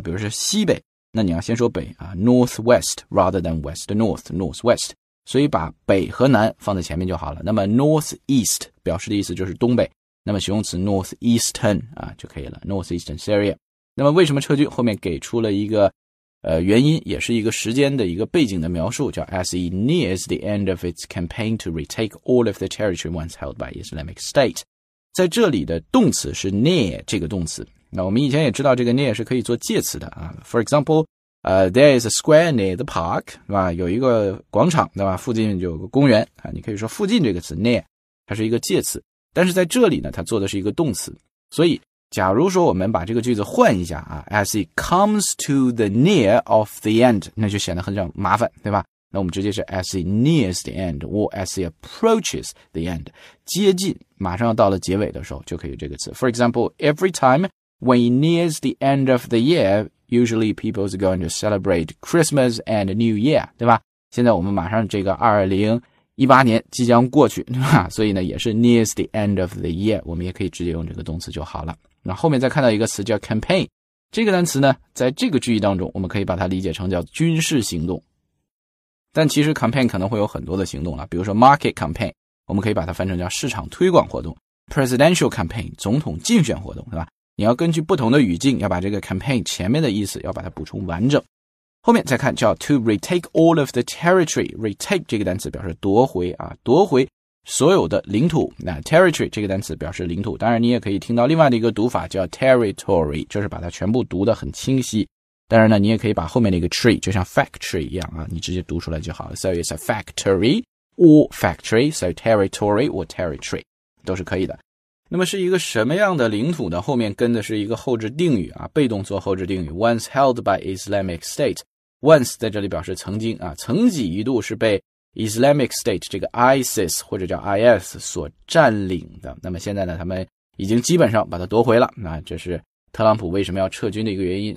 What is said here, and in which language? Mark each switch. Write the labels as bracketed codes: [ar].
[zh] 比如说西北，那你要先说北啊 [en] northwest rather than west north northwest, [zh] 所以把北和南放在前面就好了。那么 northeast 表示的意思就是东北，那么形容词 northeastern 啊就可以了 northeastern Syria。 那么为什么撤军，后面给出了一个原因也是一个时间的一个背景的描述，叫 [en] As it nears the end of its campaign to retake all of the territory once held by Islamic State. [zh] 在这里的动词是 near 这个动词。那我们以前也知道这个 near 是可以做介词的啊。 [en] For example,there is a square near the park, [zh] 对吧，有一个广场，对吧，附近有个公园啊。你可以说附近这个词 near, 它是一个介词。但是在这里呢，它做的是一个动词。所以假如说我们把这个句子换一下啊 , [en] as it comes to the near of the end, [zh] 那就显得很像麻烦，对吧，那我们直接是 [en] as it nears the end, [zh] or as it approaches the end, 接近马上要到了结尾的时候就可以这个词。 [en] For example, every time when it nears the end of the year, usually people are going to celebrate Christmas and New Year, [zh] 对吧，现在我们马上这个2018年即将过去，对吧，所以呢也是 [en] nears the end of the year, [zh] 我们也可以直接用这个动词就好了。那后面再看到一个词叫 campaign, 这个单词呢在这个句意当中我们可以把它理解成叫军事行动。但其实 campaign 可能会有很多的行动了，比如说 market campaign, 我们可以把它翻成叫市场推广活动， presidential campaign, 总统竞选活动，对吧，你要根据不同的语境要把这个 campaign 前面的意思要把它补充完整。后面再看叫 [en] to retake all of the territory, [zh] retake 这个单词表示夺回啊，夺回所有的领土，那 territory 这个单词表示领土，当然你也可以听到另外的一个读法叫 territory, 就是把它全部读得很清晰。当然呢，你也可以把后面的一个 tree 就像 factory 一样啊，你直接读出来就好了。 [en] So it's a factory or factory, so territory or territory [zh] 都是可以的。那么是一个什么样的领土呢？后面跟的是一个后置定语啊，被动做后置定语 [en] once held by Islamic State, [zh] once 在这里表示曾经啊，曾几一度是被Islamic State 这个 ISIS 或者叫 IS 所占领的，那么现在呢他们已经基本上把它夺回了，那这是特朗普为什么要撤军的一个原因。